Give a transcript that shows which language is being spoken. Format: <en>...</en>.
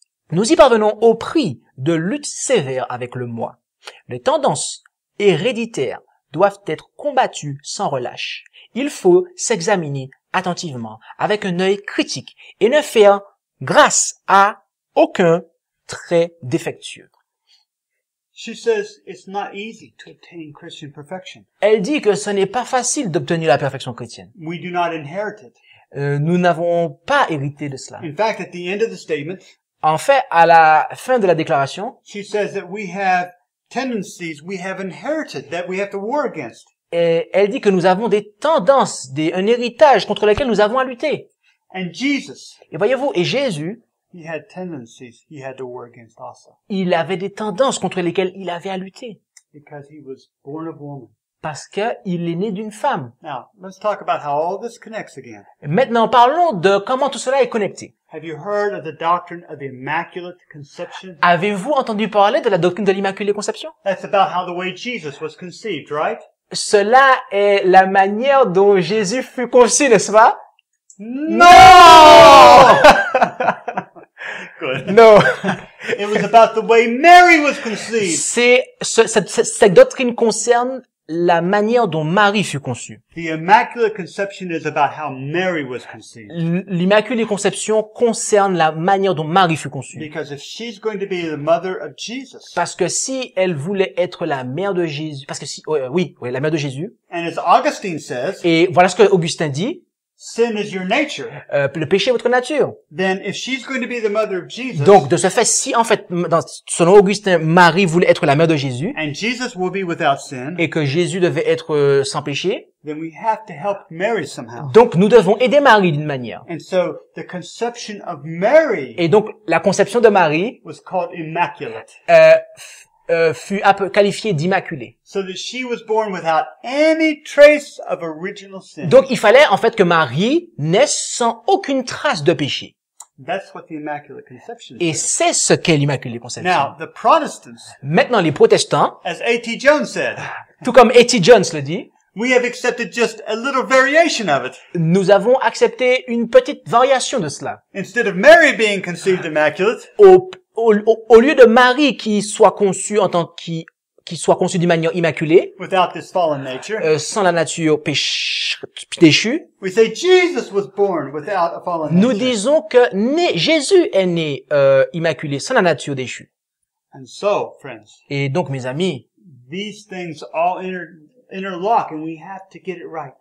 <fr>Nous y parvenons au prix de luttes sévères avec le moi. Les tendances héréditaires doivent être combattues sans relâche. Il faut s'examiner attentivement, avec un œil critique, et ne faire grâce à aucun trait défectueux.</fr> <en>She says it's not easy to obtain Christian perfection.</en> <fr>Elle dit que ce n'est pas facile d'obtenir la perfection chrétienne.</fr> <en>We do not inherit it.</en> <fr>Nous n'avons pas hérité de cela.</fr> <en>In fact, at the end of the statement,</en> <fr>en fait, à la fin de la déclaration,</fr> <en>she says that we have tendencies we have inherited that we have to war against.</en> <fr>Et elle dit que nous avons des tendances, un héritage contre lequel nous avons à lutter.</fr> <en>And Jesus,</en> <fr>et voyez-vous, et Jésus,</fr> <en>he had tendencies he had to war against also.</en> <fr>Il avait des tendances contre lesquelles il avait à lutter.</fr> <en>Because he was born of woman.</en> <fr>Parce qu'il est né d'une femme.</fr> <en>Now, let's talk about how all this connects again.</en> <fr>Maintenant, parlons de comment tout cela est connecté.</fr> <en>Have you heard of the doctrine of the Immaculate Conception?</en> <fr>Avez-vous entendu parler de la doctrine de l'Immaculée Conception?</fr> <en>That's about how the way Jesus was conceived, right?</en> <fr>Cela est la manière dont Jésus fut conçu, n'est-ce pas? Non!</fr> <en>No. It was about the way Mary was conceived.</en> <fr>Cette doctrine concerne la manière dont Marie fut conçue.</fr> <en>The Immaculate Conception is about how Mary was conceived.</en> <fr>L'Immaculée Conception concerne la manière dont Marie fut conçue.</fr> <en>Because if she's going to be the mother of Jesus.</en> <fr>Parce que si elle voulait être la mère de Jésus, la mère de Jésus.</fr> <en>And as Augustine says.</en> <fr>Et voilà ce que Augustin dit.</fr> <en>Sin is your nature.</en> <fr>Le péché est votre nature.</fr> <en>Then if she's going to be the mother of Jesus.</en> <fr>Donc de ce fait, si en fait selon Augustin, Marie voulait être la mère de Jésus.</fr> <en>And Jesus will be without sin.</en> <fr>Et que Jésus devait être sans péché.</fr> <en>Then we have to help Mary somehow.</en> <fr>Donc nous devons aider Marie d'une manière.</fr> <en>And so the conception of Mary.</en> <fr>Et donc la conception de Marie</fr> <en>was called immaculate.</en> <fr>Fut qualifiée d'immaculée.</fr> <en>So that she was born without any trace of original sin.</en> <fr>Donc il fallait en fait que Marie naisse sans aucune trace de péché.</fr> <en>That's what the Immaculate Conception</en> <fr>is. Et c'est ce qu'est l'Immaculée Conception.</fr> <en>Now, the Protestants,</en> <fr>maintenant les protestants,</fr> <en>as A.T. Jones said,</en> <fr>tout comme A.T. Jones le dit,</fr> <en>we have accepted just a little variation of it.</en> <fr>Nous avons accepté une petite variation de cela.</fr> <en>Instead of Mary being conceived immaculate,</en> <fr>au lieu de Marie qui soit conçue en tant qui soit conçue d'une manière immaculée,</fr> <en>without this fallen nature,</en> <fr>sans la nature péchue,</fr> <en>we say Jesus was born without a fallen</en> <fr>nature. Nous disons que Jésus est né immaculé, sans la nature déchue.</fr> <en>And so, friends,</en> <fr>et donc, mes amis,</fr> <en>these things all interlock and we have to get it right.</en>